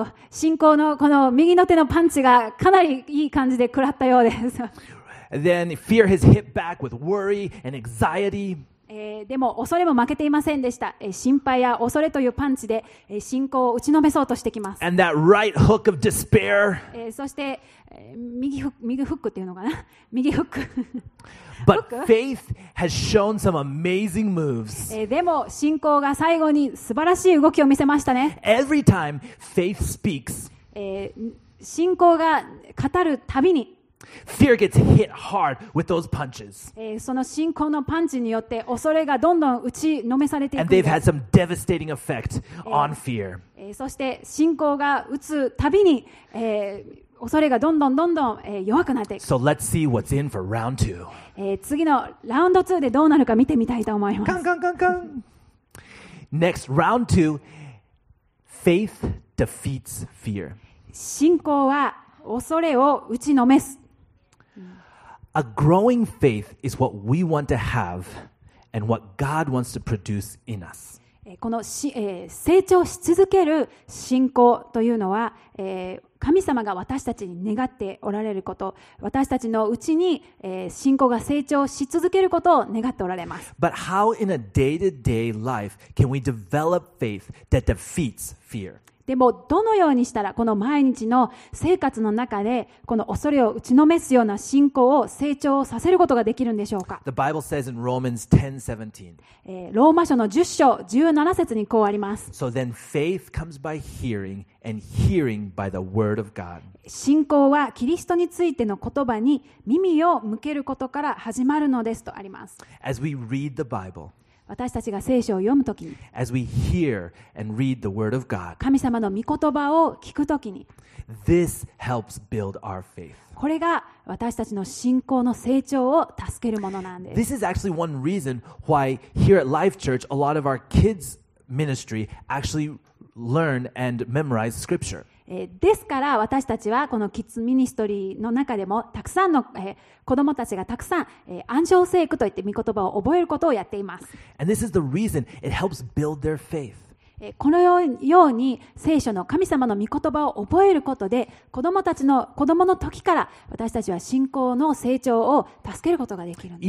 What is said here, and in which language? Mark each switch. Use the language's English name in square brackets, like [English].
[Japanese] 進行のこの右の手のパンチがかなりいい感じで食らったようです。 [English] Then fear has hit back with worry and anxiety. [Japanese] でも恐れも負けていませんでした。心配や恐れというパンチで信仰を打ちのめそうとしてきます。 [English] And that right hook of despair. [Japanese] そして右フックっていうのかな？右フック。 [English] But faith has shown some amazing moves. [Japanese] でも信仰が最後に素晴らしい動きを見せましたね。 [English] Every time faith speaks. [Japanese] 信仰が語るたびに。 [English] Fear gets hit hard with those punches. [Japanese] その信仰のパンチによって恐れがどんどん打ちのめされていく。 [English] And they've had some devastating effect on fear. [Japanese] そして信仰が打つたびに、恐れがどんどんどんどん、弱くなっていく。 [English] So let's see what's in for round two. [Japanese] 次のラウンド2でどうなるか見てみたいと思います。カンカンカンカン。 [English] Next round two, faith defeats fear. [Japanese] 信仰は恐れを打ちのめす。 [English] A growing faith is what we want to have and what God wants to produce in us. [Japanese] この成長し続ける信仰というのは、神様が私たちに願っておられること、私たちのうちに、信仰が成長し続けることを願っておられます。 [English] But how in a day-to-day life can we develop faith that defeats fear? [Japanese] でもどのようにしたらこの毎日の生活の中でこの恐れを打ちのめすような信仰を成長させることができるんでしょうか。 [English] The Bible says in Romans 10:17. [Japanese] ローマ書の10章17節にこうあります。 [English] So then faith comes by hearing and hearing by the word of God. [Japanese] 信仰はキリストについての言葉に耳を向けることから始まるのですとあります。 [English] As we read the Bible, [Japanese] 私たちが聖書を読むときに、 [English] As we hear and read the word of God, [Japanese] 神様の御言葉を聞くときに、 [English] This helps build our faith. [Japanese] これが私たちの信仰の成長を助けるものなんです。 [English] This is actually one reason why here at Life Church, a lot of our kids ministry actually learn and memorize scripture. [Japanese] ですから私たちはこのキッズミニストリーの中でもたくさんの、子どもたちがたくさん、暗唱聖句といって御言葉を覚えることをやっています。 [English] And this is the reason it helps build their faith. [Japanese] このように聖書の神様の御言葉を覚えることで子どもたちの子どもの時から私たちは信仰の成長を助けることができるんです。